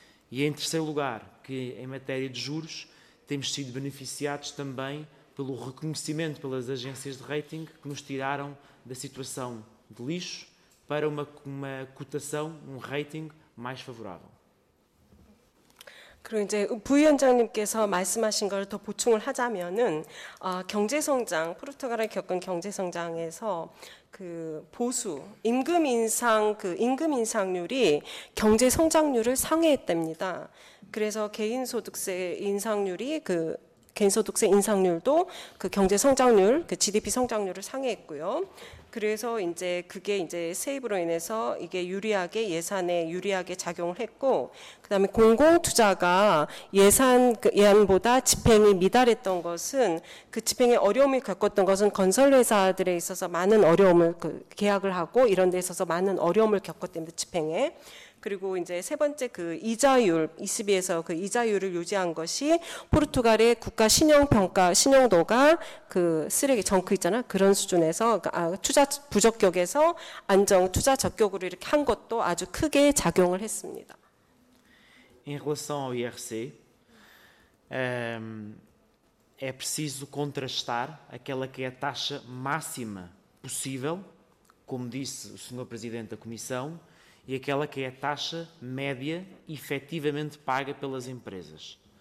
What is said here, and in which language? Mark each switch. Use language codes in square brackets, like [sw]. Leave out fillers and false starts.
[pt] E em terceiro lugar, que em matéria de juros temos sido beneficiados também pelo reconhecimento pelas agências de rating que nos tiraram da situação de lixo para uma cotação, um rating mais favorável. [ko] 그리고 이제 부위원장님께서 말씀하신 걸 더 보충을 하자면은 경제성장, 포르투갈을 겪은 경제성장에서 그 보수, 임금 인상, 그 임금 인상률이 경제 성장률을 상회했답니다. 그래서 개인소득세 인상률이 그 개인소득세 인상률도 그 경제 성장률, 그 GDP 성장률을 상회했고요. 그래서 이제 그게 이제 세입으로 인해서 이게 유리하게 예산에 유리하게 작용을 했고, 그 다음에 공공투자가 예산보다 집행이 미달했던 것은 그 집행에 어려움을 겪었던 것은 건설회사들에 있어서 많은 어려움을 그 계약을 하고 이런 데 있어서 많은 어려움을 겪었답니다. 집행에. 그리고 이제 세 번째 그 이자율, ECB에서 그 이자율을 유지한 것이 포르투갈의 국가 신용평가, 신용도가 그 쓰레기, 정크 있잖아. 그런 수준에서, 투자 부적격에서 안정, 투자 적격으로 이렇게 한 것도 아주 크게 작용을 했습니다. [pt] Em relação ao IRC, é preciso contrastar aquela que é a taxa máxima possível, como disse o Sr. Presidente da Comissão. E aquela que é a taxa média efetivamente paga pelas empresas.